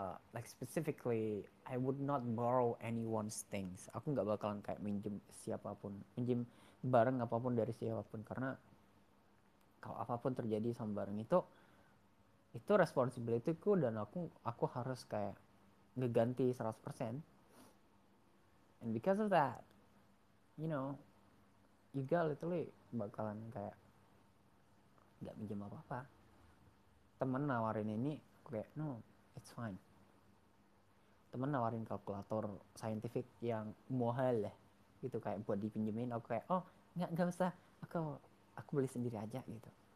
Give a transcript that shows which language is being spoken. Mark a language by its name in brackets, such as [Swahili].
[English] Like specifically, I would not borrow anyone's things. [Indonesian] Aku nggak bakalan kayak minjem siapapun, minjem barang apapun dari siapapun, karena kalau apapun terjadi sama barang itu responsibilityku dan aku harus kayak ngeganti 100%. [English] And because of that, you know, you got literally [Indonesian] bakalan kayak nggak minjem apa-apa. Temen nawarin ini, aku kayak [English] no, it's fine. [Indonesian] Temen nawarin kalkulator scientific yang mahal lah, gitu kayak buat dipinjemin, aku kayak oh nggak usah, aku beli sendiri aja gitu.